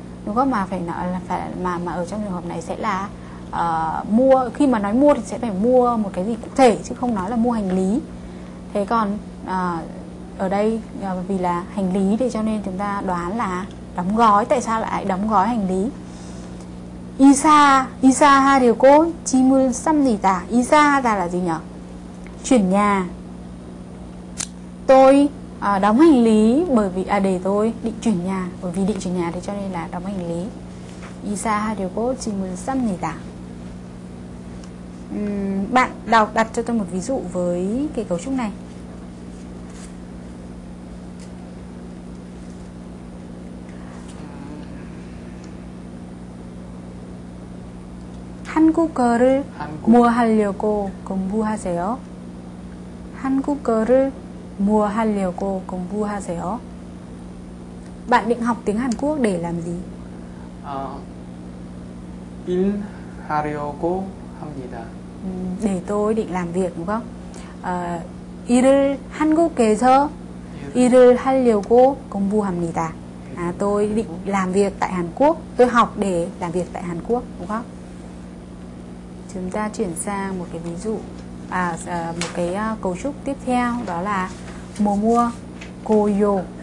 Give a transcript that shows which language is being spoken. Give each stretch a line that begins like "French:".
Vietnamese: Đúng không? Mà phải nói là phải mà ở trong trường hợp này sẽ là mua, khi mà nói mua thì sẽ phải mua một cái gì cụ thể chứ không nói là mua hành lý. Thế còn ở đây vì là hành lý thì cho nên chúng ta đoán là đóng gói. Tại sao lại đóng gói hành lý?
Korean: 이사 하려고 짐을 쌉니다. 이사 하다
Vietnamese: là gì nhỉ? Chuyển nhà. Tôi đóng hành lý bởi vì để tôi định chuyển nhà, bởi vì định chuyển nhà thì cho nên là đóng hành lý.
Korean: 이사 하려고 짐을 쌉니다.
Vietnamese: Bạn đọc đặt cho tôi một ví dụ với cái cấu trúc này.
Korean: 한국어를 뭐 하려고 공부하세요? 한국어를 뭐 하려고 공부하세요?
Vietnamese: Bạn định học tiếng Hàn Quốc để làm gì?
Korean: 일 하려고 합니다.
Vietnamese: Để tôi định làm việc đúng không?
Korean: 일을 한국에서 일을 하려고 공부합니다.
Vietnamese: Tôi định làm việc tại Hàn Quốc. Tôi học để làm việc tại Hàn Quốc đúng không? Chúng ta chuyển sang một cái ví dụ, một cái cấu trúc tiếp theo, đó là mùa mua koyo.